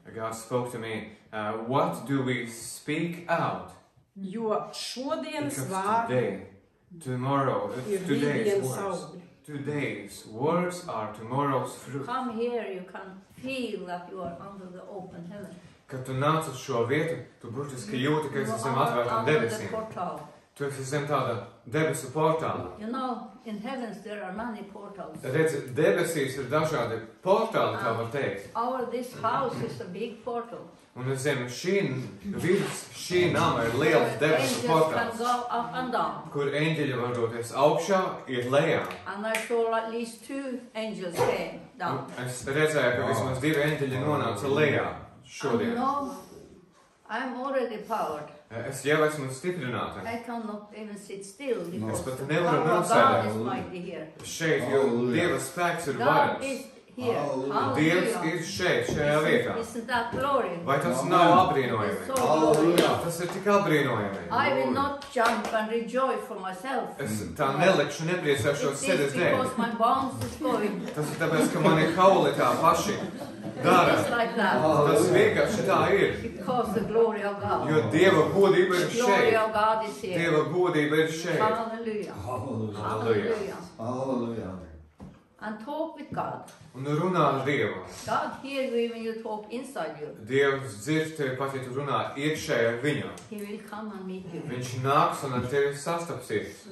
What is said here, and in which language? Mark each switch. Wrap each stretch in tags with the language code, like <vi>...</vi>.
<en>God spoke to me, what do we speak out?</en> <lv>Jo šodienas vārds,</lv> <en>today, tomorrow, today's words. Today's words are tomorrow's fruit. Come here, you can feel that you are under the open heaven.</en> <lv>Kad tu nāc uz šo vietu, tu brūtiski jūti, ka esi zem atvērtām debesīm. Tu esi zem tāda debesu portāla.</lv> <en>You know, in heavens there are many portals.</en> <lv>Redzi, debesīs ir dažādi portāli, kā var teikt.</lv> <en>Our this house is a big portal.</en> <lv>Un es zinu, šī nama ir liels debesu portāls.</lv> <en>Angels can go up and down.</en> <lv>Kur eņģeļi var doties augšā, ir lejā.</lv> <en>And I saw at least two angels came down.</en> <lv>Es redzēju, ka vismaz divi eņģeļi nonāca lejā. Šodien.</lv> <en>I am already powered.</en> <lv>Es jau esmu stiprināta.</lv> <en>I cannot even sit still.</en> <lv>No. Es pat nevaru nosēdēt. Šeit jau Dieva spēks ir varas. Dievs ir šeit, šajā vietā. Vai tas nav apbrīnojami? Tas ir tik apbrīnojami.</lv> <en>I will not jump and rejoice for myself.</en> <lv>Es tā nelikšu nepriecēšos sēdes dēļ.</lv> <en>It is because my bones is going.</en> <lv>Tas ir tāpēc, ka mani kauli tā paši dara. Tas vienkārši tā ir.</lv> <en>Because the glory of God.</en> <lv>Jo Dieva godība ir šeit.</lv> <en>Glory of God is here.</en> <lv>Dieva godība ir šeit.</lv> <en>Hallelujah. Hallelujah. Hallelujah. And talk with God.</en> <lv>Un runā ar Dievu.</lv> <en>God hears you when you talk inside you.</en> <lv>Dievs dzird tevi pat, ja tu runā iekšēji ar viņu.</lv> <en>He will come and meet you.</en> <lv>Viņš nāks un ar tevi sastapsies.</lv>